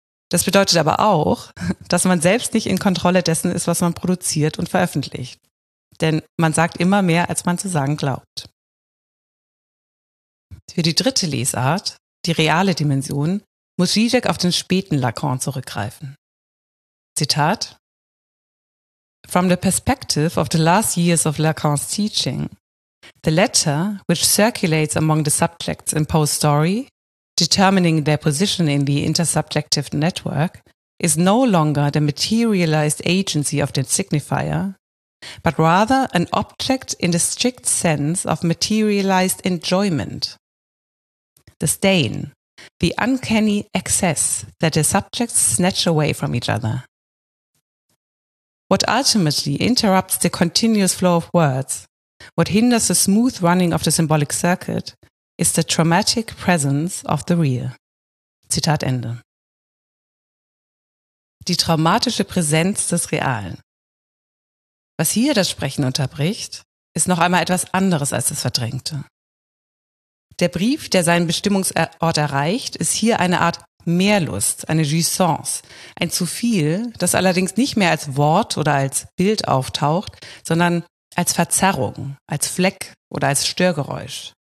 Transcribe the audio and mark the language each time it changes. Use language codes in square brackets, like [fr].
[de] Das bedeutet aber auch, dass man selbst nicht in Kontrolle dessen ist, was man produziert und veröffentlicht. Denn man sagt immer mehr, als man zu sagen glaubt. Für die dritte Lesart, die reale Dimension, muss Zizek auf den späten Lacan zurückgreifen. [en] Zitat: From the perspective of the last years of Lacan's teaching, the latter, which circulates among the subjects in post-story, determining their position in the intersubjective network, is no longer the materialized agency of the signifier, but rather an object in the strict sense of materialized enjoyment. The stain, the uncanny excess that the subjects snatch away from each other. What ultimately interrupts the continuous flow of words, what hinders the smooth running of the symbolic circuit, is the traumatic presence of the real. [de] Zitat Ende. Die traumatische Präsenz des Realen. Was hier das Sprechen unterbricht, ist noch einmal etwas anderes als das Verdrängte. Der Brief, der seinen Bestimmungsort erreicht, ist hier eine Art Mehrlust, eine Jouissance, ein Zuviel, das allerdings nicht mehr als Wort oder als Bild auftaucht, sondern als Verzerrung, als Fleck oder als Störgeräusch.